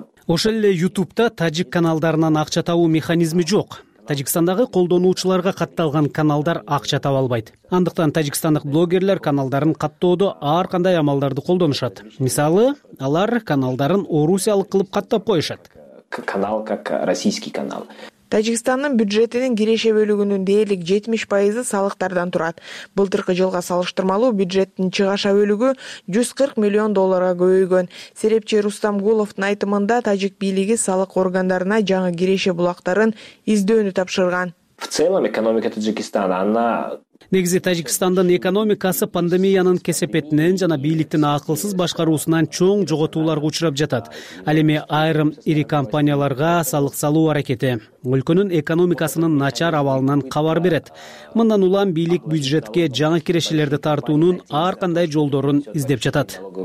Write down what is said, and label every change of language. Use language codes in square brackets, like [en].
[ky] Ошол эле YouTube'та тажик каналдарынан акча табуу механизми жок. Тажикстандагы колдонуучуларга катталган каналдар акча таба албайт. Андыктан тажикстандык блогерлер каналдарын каттоодо ар кандай амалдарды колдонушат. Мисалы, алар каналдарын орусиялык кылып каттап коюшат. [ru] Канал как российский канал. [ky] Тажикстандын бюджетинин киреше бөлүгүнүн дээрлик 70% салыктардан турат. Былтыркы жылга салыштырмалуу бюджеттин чыгаша бөлүгү 140 миллион долларга көбөйгөн. Серепчи Рустам Гуловдун айтымында тажик бийлиги салык органдарына жаңы киреше булактарын издөөнү тапшырган. [ru] В целом экономика Таджикистана, она... [ky] Негизи Тажикстандын экономикасы пандемиянын кесепетинен жана бийликтин акылсыз башкаруусунан чоң жоготууларга учурап жатат. Ал эми айрым ири компанияларга салык салуу аракети өлкөнүн экономикасынын начар абалынан кабар берет. Мындан улам бийлик бюджетке жаңы кирешелерди тартуунун ар кандай жолдорун издеп жатат.